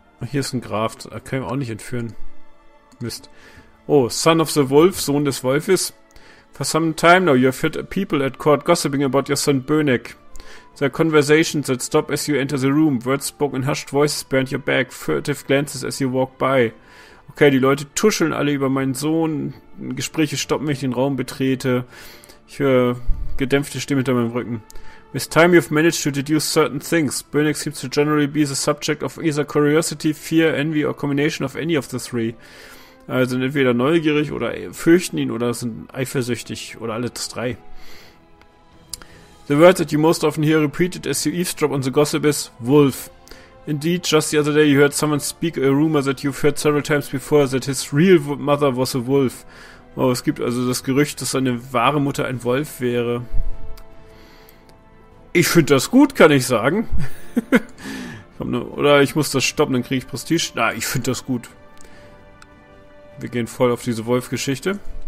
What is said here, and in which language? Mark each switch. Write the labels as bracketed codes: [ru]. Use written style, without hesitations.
[de] Hier ist ein Graf, da können wir auch nicht entführen. Mist. Oh, [en] Son of the Wolf, [de] Sohn des Wolfes. [en] For some time now you have heard people at court gossiping about your son Bönek. Their conversations that stop as you enter the room. Words spoken in hushed voices behind your back. Furtive glances as you walk by. [de] Okay, die Leute tuscheln alle über meinen Sohn. Gespräche stoppen, wenn ich den Raum betrete. Ich höre gedämpfte Stimmen hinter meinem Rücken. [en] With time you've managed to deduce certain things. Bönek seems to generally be the subject of either curiosity, fear, envy or combination of any of the three. [de] Also sind entweder neugierig oder fürchten ihn oder sind eifersüchtig oder alle drei. [en] The word that you most often hear repeated as you eavesdrop on the gossip is Wolf. Indeed, just the other day you heard someone speak a rumor that you've heard several times before that his real mother was a wolf. [de] Oh, es gibt also das Gerücht, dass seine wahre Mutter ein Wolf wäre. Ich finde das gut, kann ich sagen. Oder ich muss das stoppen, dann kriege ich Prestige. Na, ich finde das gut. Wir gehen voll auf diese Wolf-Geschichte.